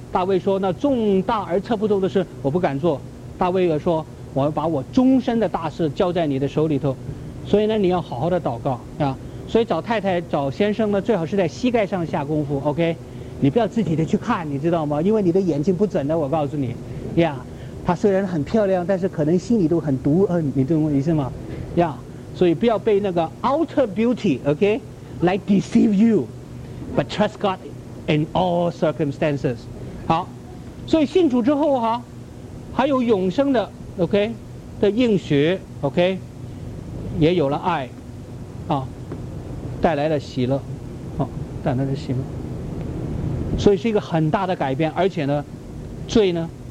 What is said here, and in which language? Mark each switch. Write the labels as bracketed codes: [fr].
[zh] 大卫说，那重大而测不透的事我不敢做，大卫也说，我要把我终身的大事交在你的手里头。所以呢，你要好好的祷告呀。所以找太太找先生呢，最好是在膝盖上下功夫， OK， 你不要自己的去看，你知道吗？因为你的眼睛不准的，我告诉你呀、yeah, 她虽然很漂亮，但是可能心里都很毒，你懂我意思吗？ [en] 呀、yeah, [zh] 所以不要被那个 [en] outer beauty OK [zh] 来 [en] deceive you， but trust God in all circumstances。 [zh] 好，所以信主之后哈、啊、还有永生的 OK 的应许， OK 也有了爱啊，带来了喜乐，哦，带来了喜乐，所以是一个很大的改变，而且呢，罪呢，